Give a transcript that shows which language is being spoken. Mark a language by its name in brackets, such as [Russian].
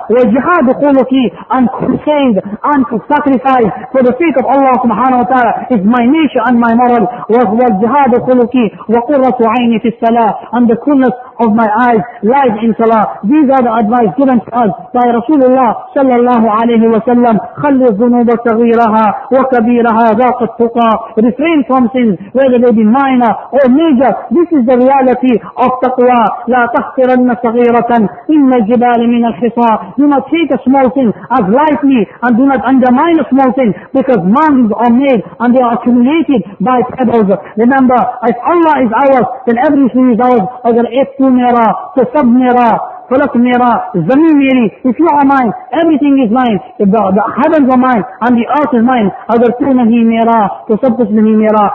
[Arabic] والجهاد قوتي. [English] And crusade and sacrifice for the sake of Allah subhanahu wa ta'ala is my nature and my moral. [Arabic] والجهاد خلقي. وقرة عيني في الصلاة. [English] And the coolness of my eyes lies in salah. These are the advice given to us by Rasulullah sallallahu alayhi wa sallam. [Arabic] خلوا الذنوب صغيرها وكبيرها ذاق التقى. [English] Refrain from sins, whether they be minor or major. This is the reality of taqwa. [Arabic] لا تحقرن صغيرة إن الجبال من الحصى. [English] Do not take a small thing as lightly and do not undermine a small thing, because mountains are made and they are accumulated by pebbles. Remember, if Allah is ours, then everything is ours. [Urdu] Agar ettu mera, tasab mera, falak mera, zameen meri. [English] If you are mine, everything is mine. If the heavens are mine and the earth is mine, [Urdu] agar tu nahi mera, [English] tasab kuch nahi mera.